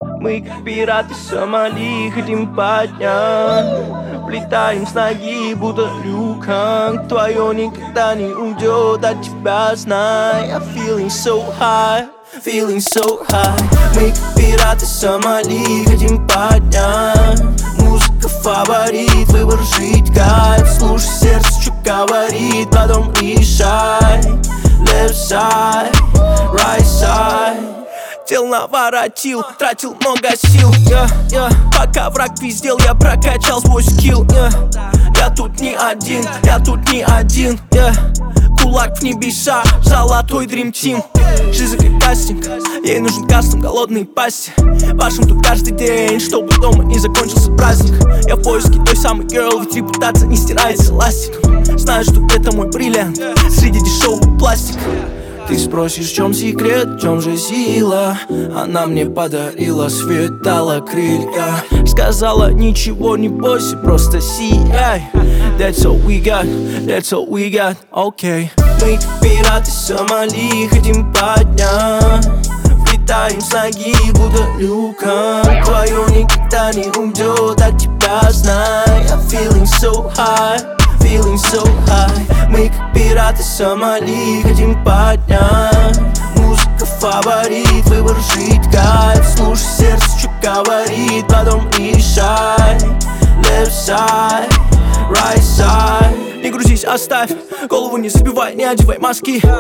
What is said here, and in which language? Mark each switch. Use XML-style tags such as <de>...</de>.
<ru>Мы как пираты Сомали хотим поднять. Влетаем с ноги, будто люкан. Твое никогда не уйдет от тебя, знай.</ru> <en>I'm feeling so high, feeling so high.</en> <ru>Мы как пираты Сомали хотим поднять. Музыка фаворит, выбор жить кайф. Слушай сердце, что говорит, потом решай.</ru> <en>Left side, right side.</en> <ru>Дел наворотил, тратил много сил, пока враг пиздел, я прокачал свой скилл, я тут не один, я тут не один, кулак в небеса, золотой</ru> <en>dream team.</en> <ru>Жизнь как кастинг, ей нужен кастом, голодные пасти. Вашим тут каждый день, чтобы дома не закончился праздник. Я в поиске той самой girl, ведь репутация не стирается ластик. Знаю, что это мой бриллиант, среди дешевого пластика. Ты спросишь, в чем секрет, в чем же сила? Она мне подарила, светала крылья. Сказала, ничего не бойся, просто сияй.</ru> <en>That's all we got, that's all we got, okay.</en> <ru>Мы как пираты Сомали хотим поднять. Влетаем с ноги, будто люкан. Твое никогда не уйдет от тебя, знай.</ru> <en>I'm feeling so high, feeling so high.</en> <ru>Мы как пираты Сомали хотим поднять. Музыка фаворит, выбор жить кайф. Слушай сердце, что говорит, потом решай.</ru> <en>Left side, right side.</en> <ru>Не грузись, оставь голову, не забивай, не одевай маски.</ru>